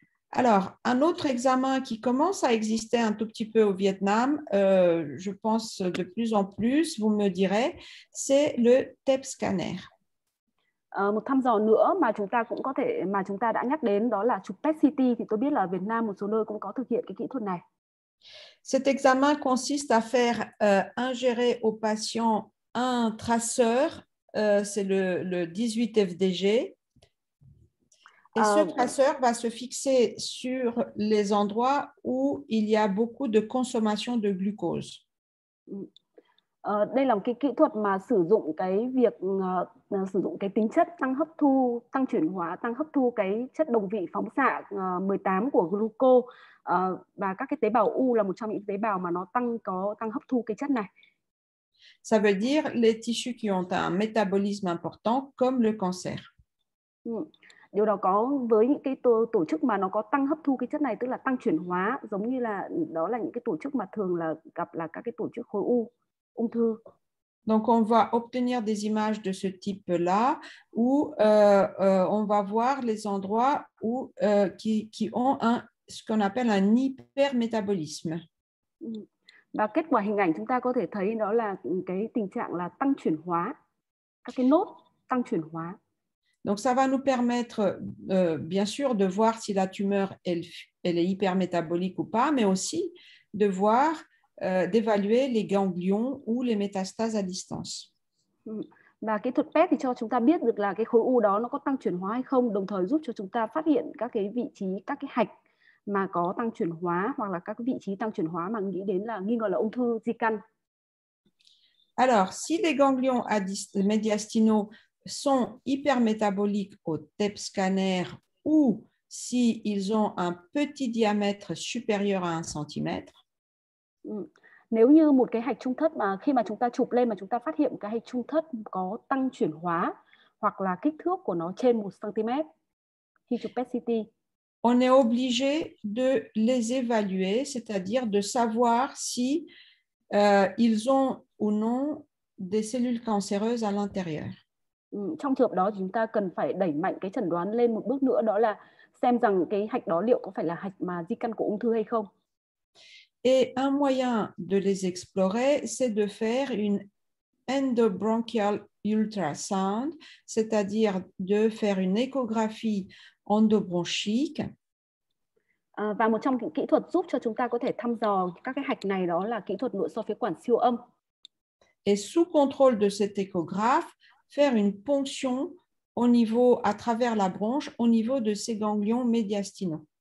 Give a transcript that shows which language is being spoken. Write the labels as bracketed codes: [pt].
[fr] Alors, un autre examen qui commence à exister un tout petit peu au Vietnam, je pense de plus en plus, vous me direz, c'est le TEP scanner. [vi] Một thăm dò nữa mà chúng ta đã nhắc đến đó là chụp PET CT, thì tôi biết là Việt Nam một số nơi cũng có thực hiện cái kỹ thuật này. [fr] Cet examen consiste à faire ingérer au patient un traceur, c'est le 18FDG. Et ce traceur va se fixer sur les endroits où il y a beaucoup de consommation de glucose. [vi] Đây là một cái kỹ thuật mà sử dụng cái việc sử dụng cái tính chất tăng hấp thu, tăng chuyển hóa, tăng hấp thu cái chất đồng vị phóng xạ 18 của gluco và các cái tế bào u là một trong những tế bào mà nó tăng hấp thu cái chất này. [fr] Ça veut dire les tissus qui ont un métabolisme important comme le cancer. [vi] Điều đó có với những cái tổ chức mà nó có tăng hấp thu cái chất này, tức là tăng chuyển hóa, giống như là đó là những cái tổ chức mà thường là gặp là các cái tổ chức khối u. [fr] Donc on va obtenir des images de ce type-là où on va voir les endroits où qui ont un ce qu'on appelle un hypermétabolisme. [vi] Và kết quả hình ảnh chúng ta có thể thấy đó là cái tình trạng là tăng chuyển hóa, các cái nốt tăng chuyển hóa. [fr] Donc ça va nous permettre bien sûr de voir si la tumeur elle est hypermétabolique ou pas, mais aussi de voir d'évaluer les ganglions ou les métastases à distance. [vi] Và kỹ thuật PET thì cho chúng ta biết được là cái khối u đó nó có tăng chuyển hóa hay không, đồng thời giúp cho chúng ta phát hiện các cái vị trí, các cái hạch mà có tăng chuyển hóa hoặc là các vị trí tăng chuyển hóa mà nghĩ đến là nghi ngờ là ung thư di căn. [fr] Alors, si les ganglions médiastinaux sont hypermétaboliques au TEP scanner ou si ils ont un petit diamètre supérieur à 1 cm. [vi] Nếu như một cái hạch trung thất mà khi mà chúng ta chụp lên mà chúng ta phát hiện cái hạch trung thất có tăng chuyển hóa hoặc là kích thước của nó trên 1 cm khi chụp PET CT. [fr] On est obligé de les évaluer, c'est-à-dire de savoir si ils ont ou non des cellules cancéreuses à l'intérieur. [vi] Trong trường hợp đó chúng ta cần phải đẩy mạnh cái chẩn đoán lên một bước nữa, đó là xem rằng cái hạch đó liệu có phải là hạch mà di căn của ung thư hay không. [fr] Et un moyen de les explorer, c'est de faire une endobronchial ultrasound, c'est-à-dire de faire une échographie endobronchique. [vi] Và một trong những kỹ thuật giúp cho chúng ta có thể thăm dò các cái hạch này đó là kỹ thuật nội soi phế quản siêu âm. [fr] Et sous contrôle de cet échographe, faire une ponction au niveau, à travers la bronche, au niveau de ces ganglions médiastinaux.